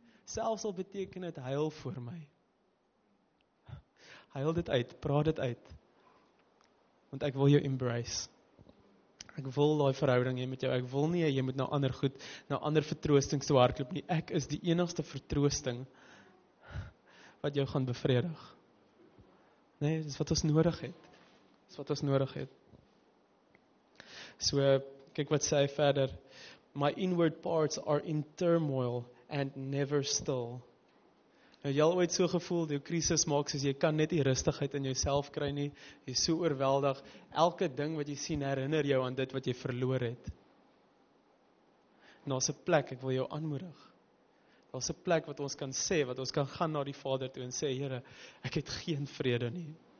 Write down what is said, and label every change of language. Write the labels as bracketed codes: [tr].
[af] Selfs al beteken het, huil voor my. Huil dit uit, praat dit uit. Want ek wil jou embrace. Ek wil daai verhouding hê met jou, ek wil nie, jy moet nou ander goed, nou ander vertroosting so hardloop nie. Ek is die enigste vertroosting wat jou gaan bevredig. Nee, dis wat ons nodig het. Dis wat ons nodig het. So, kyk wat sê hy verder. [en] My inward parts are in turmoil and never still. [af] Nou, jy al ooit so gevoel, die krisis maak, soos jy kan net die rustigheid in jouself kry nie. Jy is so oorweldig. Elke ding wat jy sien, herinner jou aan dit wat jy verloor het. Nou, as 'n plek, ek wil jou aanmoedig. Daar is 'n plek wat ons kan sê, wat ons kan gaan na die Vader toe en sê, Here, ek het geen vrede nie.